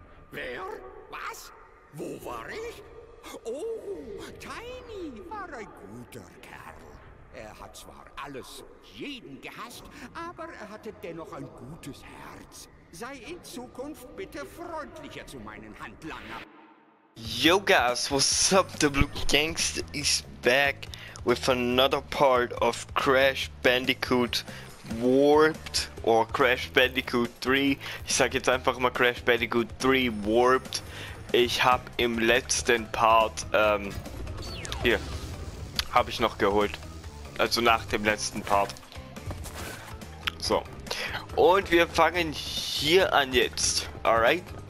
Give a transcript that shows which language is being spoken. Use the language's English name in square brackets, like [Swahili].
[German] Wer? Was? Wo war ich? Oh, Tiny war ein guter Kerl. Er hat zwar alles und jeden gehasst, aber er hatte dennoch ein gutes Herz. Sei in Zukunft bitte freundlicher zu meinen Handlanger. [English] Yo guys, what's up? The Blue Gangster is back with another part of Crash Bandicoot Warped or Crash Bandicoot 3. [German] Ich sag jetzt einfach mal Crash Bandicoot 3 Warped. Ich hab im letzten Part, hier, hab ich noch geholt. Also nach dem letzten Part. So. Und wir fangen hier an jetzt. Alright?